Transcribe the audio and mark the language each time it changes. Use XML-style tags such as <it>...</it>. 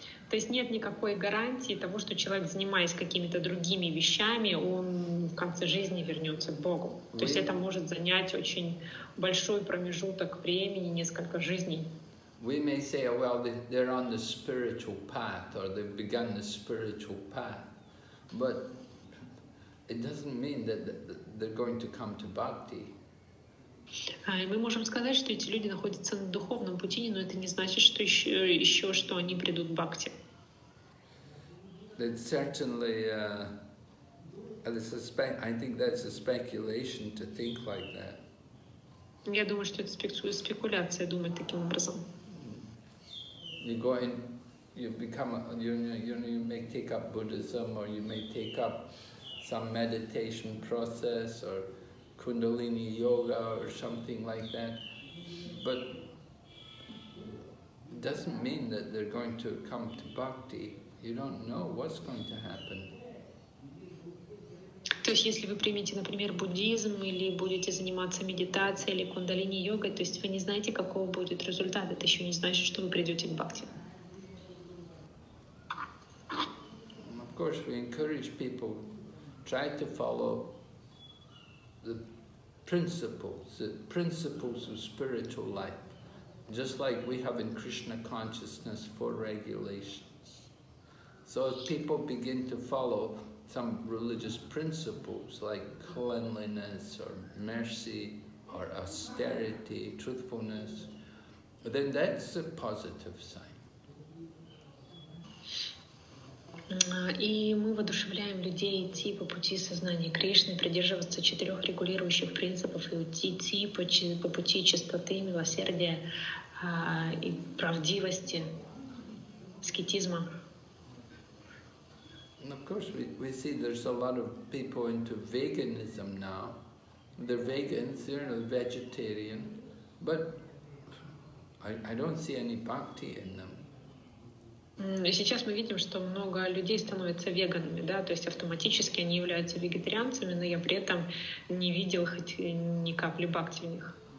<ru>То есть нет никакой гарантии того, что человек, занимаясь какими-то другими вещами, он в конце жизни вернется к Богу. То есть это может занять очень большой промежуток времени, несколько жизней.</ru> <en>We may say, well, they're on the spiritual path, or they've begun the spiritual path. But it doesn't mean that they're going to come to bhakti.</en> <ru>И мы можем сказать, что эти люди находятся на духовном пути, но это не значит, что еще что они придут в бхакти.</ru> <en>It's certainly, I think that's a speculation to think like that.</en> <ru>Я думаю, что это спекуляция думать таким образом.</ru> <en>You go in, you become, you may take up Buddhism, or you may take up some meditation process, or Kundalini yoga, or something like that. But it doesn't mean that they're going to come to bhakti. You don't know what's going to happen.</en> <ru>То есть, если вы примете, например, буддизм, или будете заниматься медитацией, или кундалини-йогой, то есть вы не знаете, какого будет результат, это еще не значит, что вы придете к бхакти.</ru> <en>Of course, we encourage people try to follow the principles of spiritual life, just like we have in Krishna consciousness for regulations. So if people begin to follow some religious principles like cleanliness or mercy or austerity, truthfulness, then that's a positive sign.</en> <ru>И мы воодушевляем людей идти по пути сознания Кришны, придерживаться четырех регулирующих принципов и идти по пути чистоты, милосердия и правдивости, аскетизма.</ru> <en>And of course, we see there's a lot of people into veganism now. They're vegans, they're a vegetarian, but I don't see any bhakti in them.</en> <ru>И сейчас мы видим, что много людей становятся веганами, да, то есть автоматически они являются вегетарианцами, но я при этом не видел хоть ни капли бхакти в них.</ru>